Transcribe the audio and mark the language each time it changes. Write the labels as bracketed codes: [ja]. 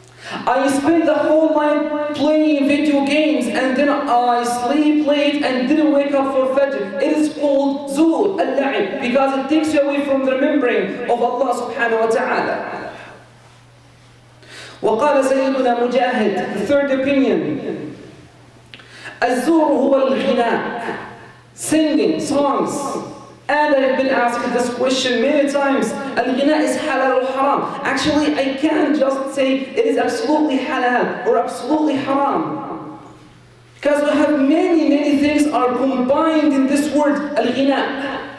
[en] I spend the whole night playing video games and then I sleep late and didn't wake up for fajr. It is called zuhr al-la'ib because it takes you away from the remembering of Allah subhanahu wa ta'ala. [ar] وقال سيدنا مجاهد, [en] the third opinion. [ar] الزور هو الغناء, [en] singing songs. And I've been asked this question many times. الغناء is halal or haram? Actually, I can't just say it is absolutely halal or absolutely haram. Because we have many, many things are combined in this word, الغناء.